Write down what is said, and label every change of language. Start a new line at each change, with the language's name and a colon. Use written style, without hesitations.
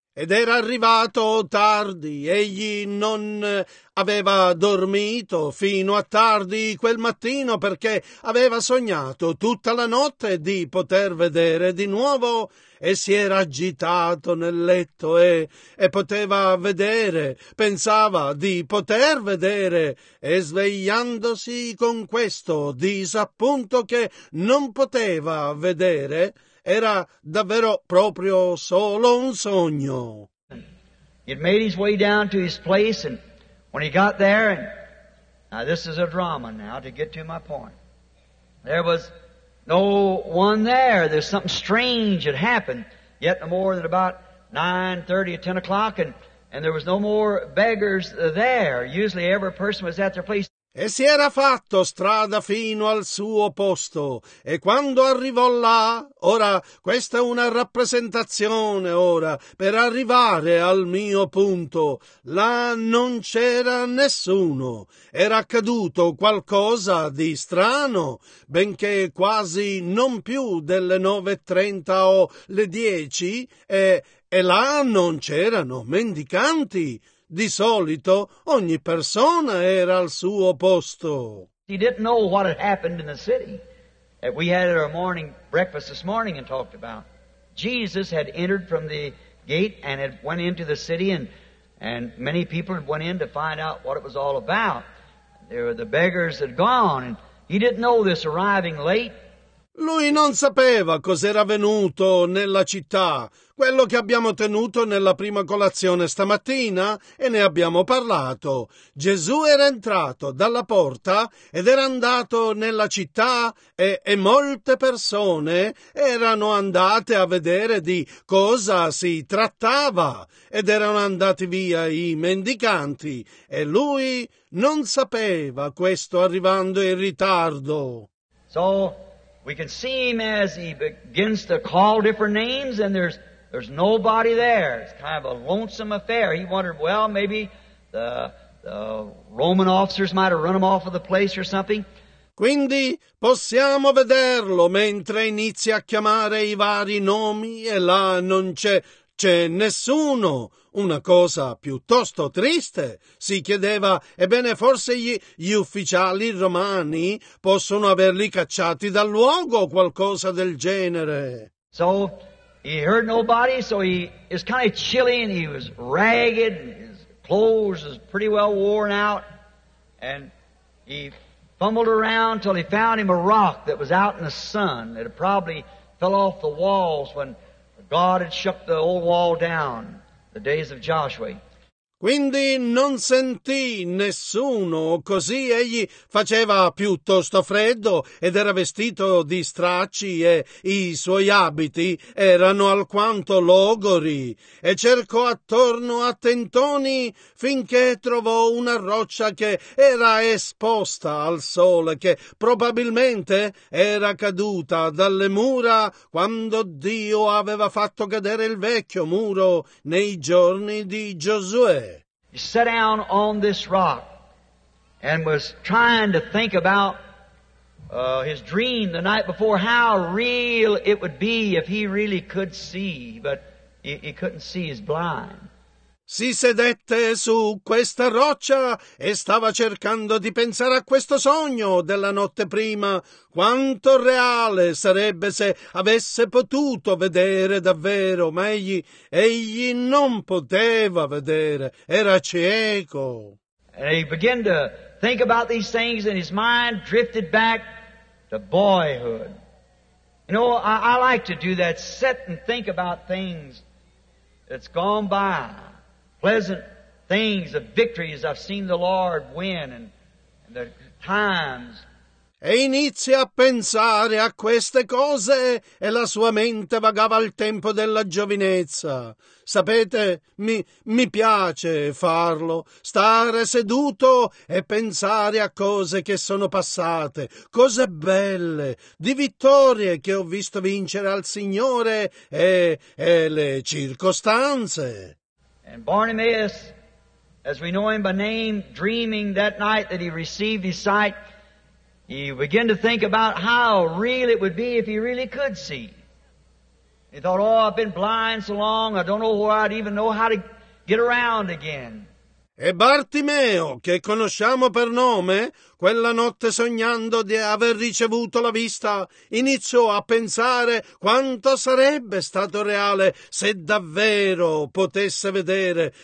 Italian: Ed era arrivato tardi, egli non aveva dormito fino a tardi quel mattino perché aveva sognato tutta la notte di poter vedere di nuovo e si era agitato nel letto e poteva vedere, pensava di poter vedere e svegliandosi con questo disappunto che non poteva vedere. Era davvero proprio solo un sogno.
English: He made his way down to his place, and when he got there, and now this is a drama now to get to my point. There was no one there. There's something strange had happened. Yet no more than about 9:30 or 10 o'clock, and there was no more beggars there. Usually every person was at their place.
Italian: E si era fatto strada fino al suo posto, e quando arrivò là, ora questa è una rappresentazione, ora, per arrivare al mio punto, là non c'era nessuno. Era accaduto qualcosa di strano, benché quasi non più delle 9:30 o le 10, e là non c'erano mendicanti. Di solito ogni persona era al suo posto.
English: He didn't know what had happened in the city that we had at our morning breakfast this morning and talked about. Jesus had entered from the gate and had went into the city and many people had went in to find out what it was all about. There were the beggars that had gone and he didn't know this arriving late.
Italian: Lui non sapeva cos'era avvenuto nella città, quello che abbiamo tenuto nella prima colazione stamattina e ne abbiamo parlato. Gesù era entrato dalla porta ed era andato nella città e molte persone erano andate a vedere di cosa si trattava ed erano andati via i mendicanti e lui non sapeva questo arrivando in ritardo.
English: So we can see him as he begins to call different names and there's nobody there. It's kind of a lonesome affair. He wondered, well, maybe the Roman officers might have run him off of the place or something.
Italian: Quindi possiamo vederlo mentre inizia a chiamare i vari nomi e là non c'è nessuno. Una cosa piuttosto triste, si chiedeva, ebbene forse gli ufficiali romani possono averli cacciati dal luogo o qualcosa del genere.
English: So he heard nobody, so he is kind of chilly and he was ragged, his clothes was pretty well worn out, and he fumbled around till he found him a rock that was out in the sun that had probably fell off the walls when God had shook the old wall down, the days of Joshua.
Italian: Quindi non sentì nessuno, così egli faceva piuttosto freddo ed era vestito di stracci e i suoi abiti erano alquanto logori e cercò attorno a tentoni finché trovò una roccia che era esposta al sole, che probabilmente era caduta dalle mura quando Dio aveva fatto cadere il vecchio muro nei giorni di Giosuè.
English: He sat down on this rock and was trying to think about his dream the night before, how real it would be if he really could see, but he couldn't see, he's blind.
Italian: Si sedette su questa roccia e stava cercando di pensare a questo sogno della notte prima. Quanto reale sarebbe se avesse potuto vedere davvero, ma egli non poteva vedere, era cieco.
English: And he began to think about these things and his mind drifted back to boyhood. You know, I like to do that, sit and think about things that's gone by. Pleasant things of victories I've seen the Lord win and the times.
Italian: E inizia a pensare a queste cose e la sua mente vagava al tempo della giovinezza. Sapete, mi piace farlo, stare seduto e pensare a cose che sono passate, cose belle, di vittorie che ho visto vincere al Signore e le circostanze.
English: And Bartimaeus, as we know him by name, dreaming that night that he received his sight, he began to think about how real it would be if he really could see. He thought, oh, I've been blind so long, I don't know where I'd even know how to get around again.
Italian: E Bartimeo, che conosciamo per nome, quella notte sognando di aver ricevuto la vista, iniziò a pensare quanto sarebbe stato reale se davvero potesse vedere.